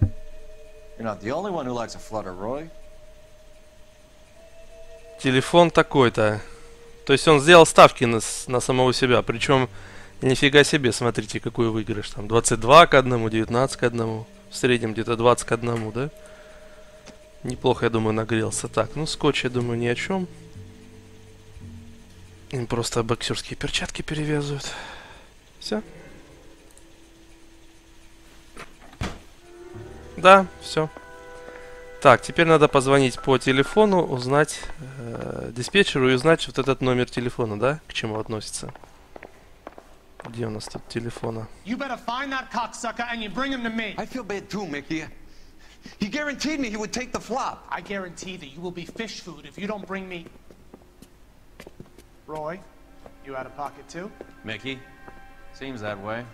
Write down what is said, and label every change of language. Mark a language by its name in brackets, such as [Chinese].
[English] You're not the only one who likes a flutter, Roy. [Russian] Телефон такой-то. То есть он сделал ставки на самого себя, причем нифига себе, смотрите, какой выигрыш там. 22 к 1, 19 к 1. В среднем где-то 20 к 1, да? Неплохо, я думаю, нагрелся. Так, ну скотч, я думаю, ни о чем. Им просто боксерские перчатки перевязывают. Все? Да, все. Так, теперь надо позвонить по телефону, узнать диспетчеру и узнать вот этот номер телефона, да? К чему относится. Где у нас тут телефона? [English] You better find that cocksucker and you bring him to me. I feel bad too, Mickey. He guaranteed me he would take the flop. I guarantee that you will be fish food if you don't bring me. Roy, you out of pocket too? Mickey, seems that way.